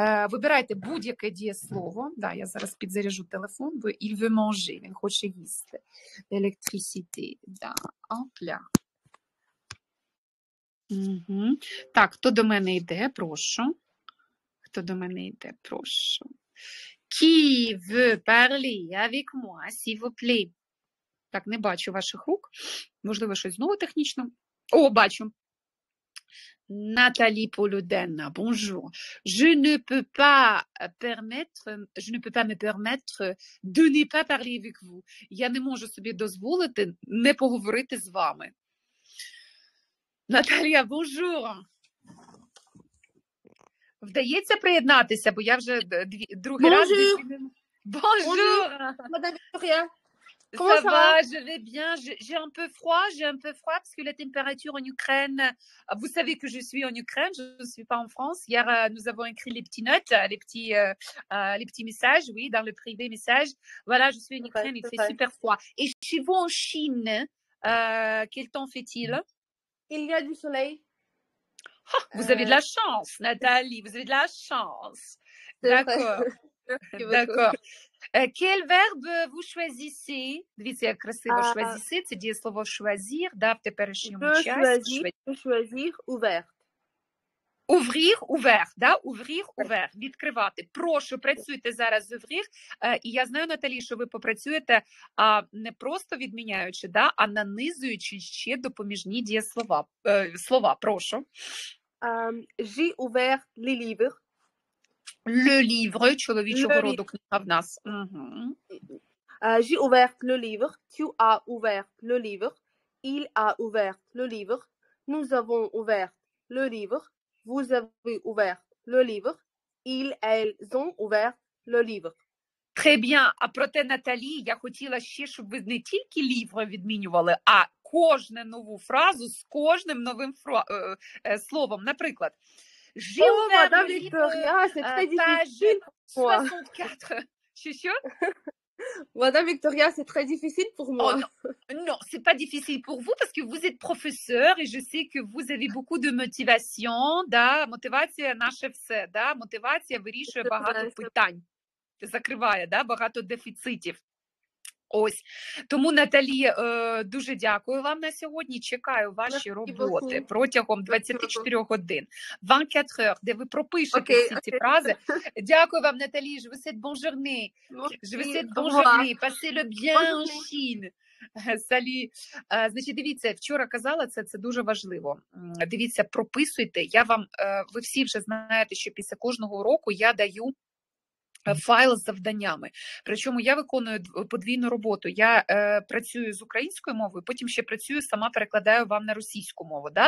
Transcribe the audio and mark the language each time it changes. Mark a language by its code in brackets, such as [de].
[uk] Вибирайте будь-яке дієслово. Да, я зараз підзаряжу телефон, бо [fr] il veut manger, [uk] він хоче їсти. Electricity, да. Опля. Угу. Так, хто до мене йде, прошу. Хто до мене йде, прошу. [fr] Qui veut parler avec moi, s'il vous plaît? [uk] Так, не бачу ваших рук. Можливо, щось знову технічно. О, бачу. Наталі Полюденна, бонжур. [fr] Je ne peux pas permettre, je ne peux pas me permettre de ne pas parler avec vous. [uk] Я не можу собі дозволити не поговорити з вами. Наталія, бонжур. Вдається приєднатися, бо я вже другий раз. Бонжур. Мадам Вікторія. [fr] Comment ça va? Je vais bien. J'ai un peu froid parce que la température en Ukraine. Vous savez que je suis en Ukraine. Je ne suis pas en France. Hier, nous avons écrit les petites notes, les petits messages, oui, dans le privé message. Voilà, je suis en Ukraine. Ouais, il fait super froid. Et chez vous en Chine, quel temps fait-il? Il y a du soleil. Oh, vous avez de la chance, Nathalie. Vous avez de la chance. D'accord. D'accord. Quel verbe vous choisissez? [ru] Видите, как красиво [fr] choisissez, c'est dit [uk] слово choisir, да, в теперішньому часі. [fr] Choisir, ouvert. Ouvrir, ouvert, да, ouvrir, ouvert, відкривати. [uk] Прошу, працюйте зараз з ouvrir, і я знаю, Наталі, що ви попрацюєте не просто відміняючи, да, а нанизуючи ще допоміжні дієслова, слова, прошу. [fr] J'ai ouvert les livres. Le livre, [uk] чоловічого роду книга в нас. [fr] J'ai ouvert le livre, tu as ouvert le livre, il a ouvert le livre, nous avons ouvert le livre, vous avez ouvert le livre, ils, elles ont ouvert le livre. Très bien. [uk] А проте, Наталі, я хотіла ще, щоб ви не тільки лівре відмінювали, а кожну нову фразу з кожним новим словом. Наприклад, [fr] j'ai ouvert le livre, c'est très difficile pour moi. 64. Je suis sûre. Madame Victoria, c'est très difficile pour moi. Non, c'est pas difficile pour vous parce que vous êtes professeur et je sais que vous avez beaucoup de motivation, да, [uk] мотивація наше все, да, мотивація вирішує багато питань. Закриває, да, багато дефіцитів. Ось. Тому, Наталі, дуже дякую вам на сьогодні. Чекаю ваші роботи протягом 24 годин. [fr] 24 heures, [uk] де ви пропишете всі ці фрази. Дякую вам, Наталі. [fr] Je vous souhaite bonne journée. Je vous souhaite bonne journée. Passez le bien en Chine. [uk] Салі, значить, дивіться, вчора казала це дуже важливо. Дивіться, прописуйте. Я вам, ви всі вже знаєте, що після кожного уроку я даю файл з завданнями. Причому я виконую подвійну роботу. Я працюю з українською мовою, потім ще працюю, сама перекладаю вам на російську мову. Да?